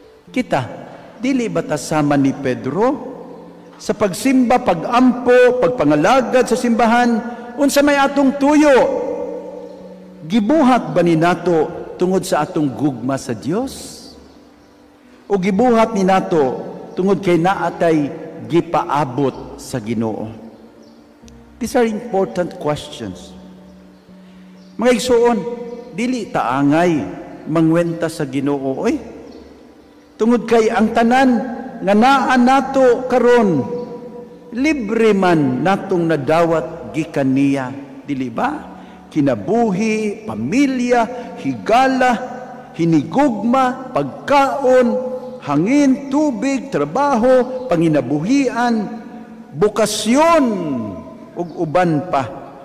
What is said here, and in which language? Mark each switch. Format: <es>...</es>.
<ceb>Kita, dili ba tasama ni Pedro sa pagsimba, pag-ampo, pagpangalagad sa simbahan, unsa may atong tuyo? Gibuhat ba ni nato tungod sa atong gugma sa Dios? O gibuhat ni nato tungod kay naatay gipaabot sa Ginoo?</ceb> <en>These are important questions.</en> <ceb>Mga igsoon, dili taangay mangwenta sa Ginoo. Oy, tungod kay ang tanan nga naa nato karon, libre man natong nadawat gikan niya. Dili ba? Kinabuhi, pamilya, higala, hinigugma, pagkaon, hangin, tubig, trabaho, panginabuhian, bukasyon ug uban pa.</ceb>